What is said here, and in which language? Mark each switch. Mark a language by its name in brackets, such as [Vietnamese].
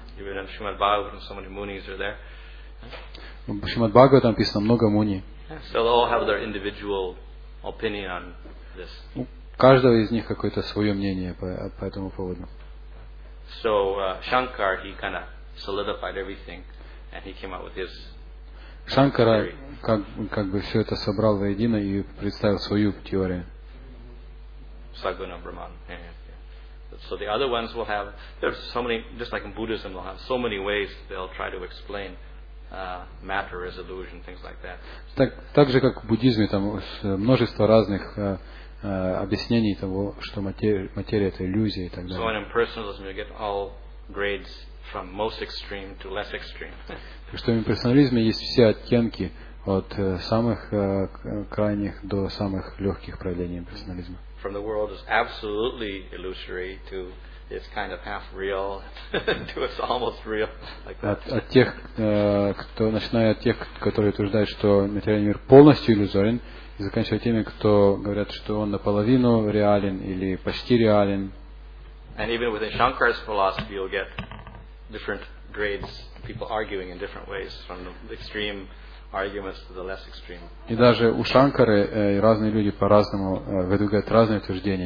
[English] Even in Shrimad Bhagavatam, so many Munis are there. [Russian] В Шримад Бхагаватам написано много Муни. [English] So they all have their individual opinion on this. [Russian] У каждого из них какое-то свое мнение по этому поводу. [English] So Shankar, he kind of solidified everything, and he came out with his. [Russian] Шанкара как бы все это собрал воедино и представил свою теорию. [English] Сагуна Брахман. So the other ones will have, there's so many, just like in Buddhism, they'll have so many ways they'll try to explain matter as illusion, things like that. [Russian] Так же как в буддизме там множество разных объяснений того, что материя это иллюзия и так далее. [English] So in impersonalism you get all grades from most extreme to less extreme. [Russian] Так что в имперсонализме есть все оттенки от самых крайних до самых легких проявлений имперсонализма. [English] From the world is absolutely illusory to it's kind of half real to it's almost real. [Russian] От тех, кто начиная от тех, которые утверждают, что материальный мир полностью иллюзорен, и заканчивая теми, кто говорят, что он наполовину реален или почти реален. [English] And even within Shankara's philosophy, you'll get different grades people arguing in different ways, from the extreme arguments to the less extreme. [Russian] И даже у Шанкары разные люди по-разному выдвигают разные утверждения.